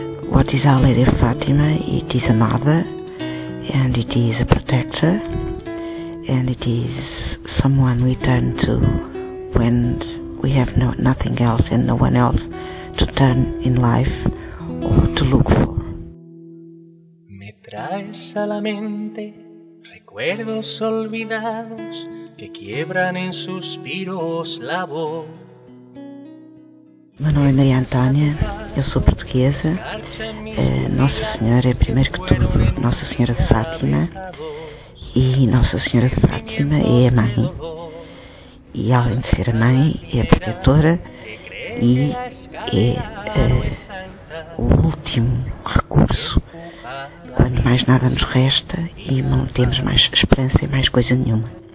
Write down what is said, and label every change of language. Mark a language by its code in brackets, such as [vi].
[en] What is Our Lady of Fatima? It is a mother, and it is a protector, and it is someone we turn to when we have nothing else and no one else to turn in life or to look for. [es] Me traes a la mente recuerdos olvidados que quiebran en suspiros la voz. [pt] Meu nome é Maria Antónia, eu sou portuguesa. Nossa Senhora é, primeiro que tudo, Nossa Senhora de Fátima. E Nossa Senhora de Fátima é a mãe. E além de ser a mãe, é a protetora e é o último recurso quando mais nada nos resta e não temos mais esperança e mais coisa nenhuma.